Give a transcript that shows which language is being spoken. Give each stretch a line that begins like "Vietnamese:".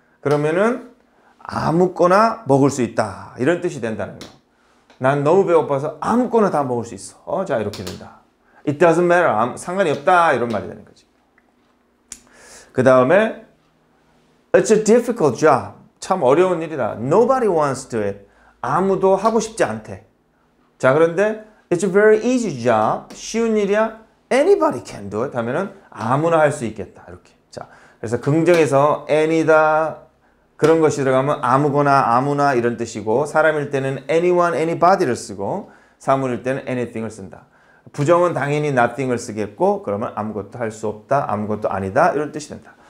Korean: 그러면은 아무거나 먹을 수 있다. 이런 뜻이 된다는 거. 난 너무 배고파서 아무거나 다 먹을 수 있어. 자, 이렇게 된다.
English: It doesn't matter.
Korean: 상관이 없다. 이런 말이 되는 거지. 그 다음에
English: It's a difficult job.
Korean: 참 어려운 일이다.
English: Nobody wants to it.
Korean: 아무도 하고 싶지 않대. 자, 그런데
English: It's a very easy job.
Korean: 쉬운 일이야.
English: Anybody can do it.
Korean: 하면은 아무나 할 수 있겠다. 이렇게. 자, 그래서 긍정에서 any다. 그런 것이 들어가면 아무거나 아무나 이런 뜻이고 사람일 때는 anyone, anybody를 쓰고 사물일 때는 anything을 쓴다. 부정은 당연히 nothing을 쓰겠고 그러면 아무것도 할 수 없다, 아무것도 아니다 이런 뜻이 된다.